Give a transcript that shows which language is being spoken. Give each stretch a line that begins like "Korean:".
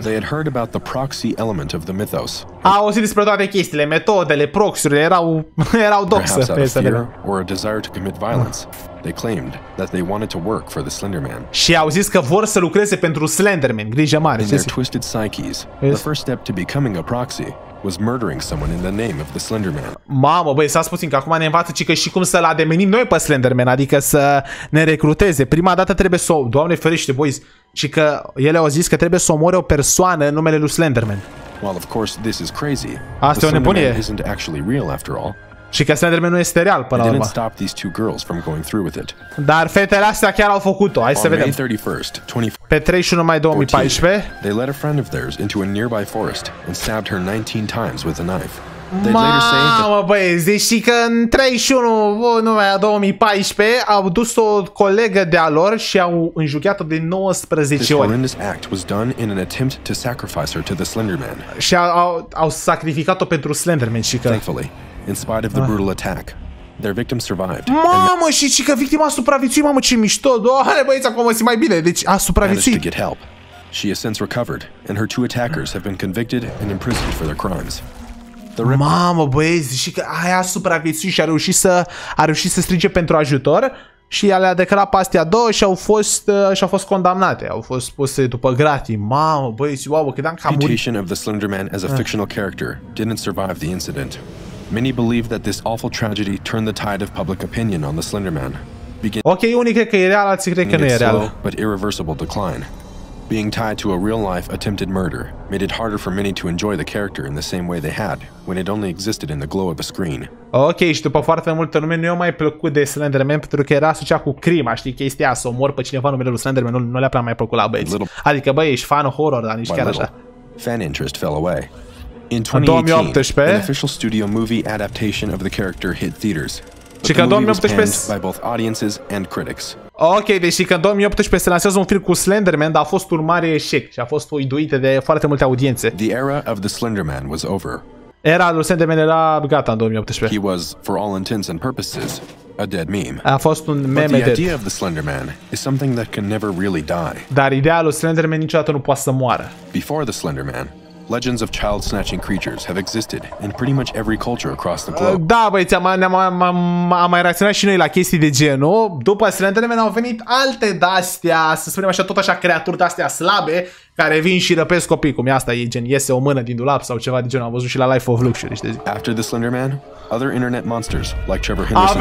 English: They had heard about the proxy element of the mythos.
Romanian: Au auzit despre toate chestiile, metodele, proxy-urile, erau doxă.
English: Perhaps out of fear or a desire to commit violence. They claimed that they wanted to work for the Slenderman.
Romanian: Și au zis că vor să lucreze pentru Slenderman, grijă mare.
English: In their twisted psyches, the first step to becoming a proxy was murdering someone in the name of the Slenderman.
Romanian: Mamă, băi, s-a spus că acum ne învață cică și cum să-l ademenim noi pe Slenderman, adică să ne recruteze. Prima dată trebuie să o... Doamne ferește, boys, și că ele au zis că trebuie să omoare o persoană în numele lui Slenderman.
English: Well, of course, this is crazy.
Romanian: Asta e o nebunie.
English: Isn't actually real after all.
Romanian: Și că Slenderman nu este real, până la urmă.
English: Didn't stop these two girls from going through with it.
Romanian: Dar fetele astea chiar au făcut-o. Hai
English: on
Romanian: să vedem.
English: May 31st, 24...
Romanian: Pe 31 mai 2014,
English: they led a friend of theirs into a nearby forest and stabbed her 19 times with a knife.
Romanian: Mamă, băieți, deși că în 31 numai 2014 au dus o colegă de-a lor și au înjugheat-o de 19 ori.
English: This horrendous act was done in an attempt to sacrifice her to the Slenderman.
Romanian: Și au sacrificat-o pentru Slenderman și că...
English: Thankfully, in spite of the brutal attack, their victim survived.
Romanian: Mamă, și că victima a supraviețuit, mamă, ce mișto. Doamne, băieți, acum mă simt mai bine. Deci a supraviețuit.
English: Managed to get help. She has since recovered and her two attackers have been convicted and imprisoned for their crimes.
Romanian: Mamă, băieți, și că aia a supraviețuit și a reușit să strige pentru ajutor și ea le-a declarat pe astea două și au fost condamnate, au fost puse după gratii. Mamă, băieți, wow, credeam că a murit.
English: Reputation of the Slenderman as a fictional character didn't survive the incident. Many believe that this awful tragedy turned the tide of public opinion on the Slenderman.
Romanian: Ok, unii cred că e real, alții cred că nu e real.
English: Slow but irreversible decline. Being tied to a real-life attempted murder made it harder for many to enjoy the character in the same way they had when it only existed in the glow of a screen.
Romanian: Ok, și după foarte multă lume nu i-a mai plăcut de Slenderman pentru că era asociat cu crima, știi, chestia să omor pe cineva numele lui Slenderman, nu le-a prea mai plăcut la băieți. Adică, băi, ești fan horror, dar nici chiar așa.
English: Fan interest fell away. In 2018, an official studio movie adaptation of the character hit theaters.
Romanian: Și că în
English: 2018 was panned by both audiences and critics.
Romanian: Ok, deci că în 2018 se lansează un film cu Slenderman, dar a fost un mare eșec și a fost uiduit de foarte multe audiențe.
English: The era of the Slenderman was over.
Romanian: Era lui Slenderman era gata în 2018.
English: He was, for all intents and purposes, a dead meme.
Romanian: A fost un meme.
English: But the idea of the Slenderman is something that can never really die.
Romanian: Dar ideea lui Slenderman niciodată nu poate să moară.
English: Before the Slenderman, legends of child snatching creatures have existed in pretty much every culture across the globe.
Romanian: Da, băieți, am mai reacționat și noi la chestii de genul. După Slenderman au venit alte de-astea, să spunem așa, tot așa creaturi de-astea slabe care vin și răpesc copii, cum e asta, e gen iese o mână din dulap sau ceva de genul. Am văzut și la Life of Luxury, știi?
English: After the Slenderman, other internet monsters like Trevor Henderson.